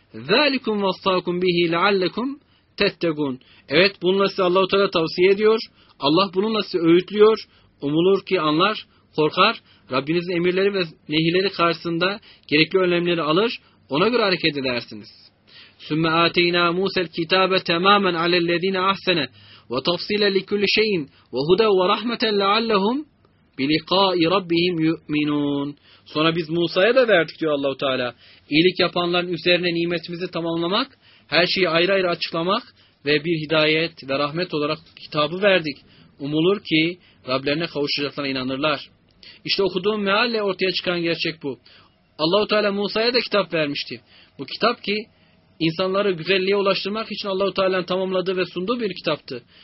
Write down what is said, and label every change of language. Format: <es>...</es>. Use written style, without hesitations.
<ar>ذَٰلِكُمْ وَصَّاكُمْ بِهِ لَعَلَّكُمْ تَتَّقُونَ</ar> <tr>Evet, bununla size Allah-u Teala tavsiye ediyor. Allah bununla size öğütlüyor. Umulur ki anlar, korkar. Rabbinizin emirleri ve nehirleri karşısında gerekli önlemleri alır. Ona göre hareket edersiniz.</tr> <ar>سُمَّ آتَيْنَا مُوسَ الْكِتَابَ تَمَامًا عَلَى الَّذ۪ينَ اَحْسَنَ وَتَفْصِيلًا لِكُلِّ شَيْءٍ وَهُدَى وَرَحْمَةً لَعَلَّهُمْ بِلِقَاءِ رَبِّهِمْ يُؤْمِنُونَ</ar> <tr>Sonra biz Musa'ya da verdik diyor Allah-u Teala. İyilik yapanların üzerine nimetimizi tamamlamak, her şeyi ayrı ayrı açıklamak ve bir hidayet ve rahmet olarak kitabı verdik. Umulur ki Rablerine kavuşacaklarına inanırlar. İşte okuduğum mealle ortaya çıkan gerçek bu. Allah-u Teala Musa'ya da kitap vermişti. Bu kitap ki insanları güzelliğe ulaştırmak için Allah-u Teala'nın tamamladığı ve sunduğu bir kitaptı.</tr>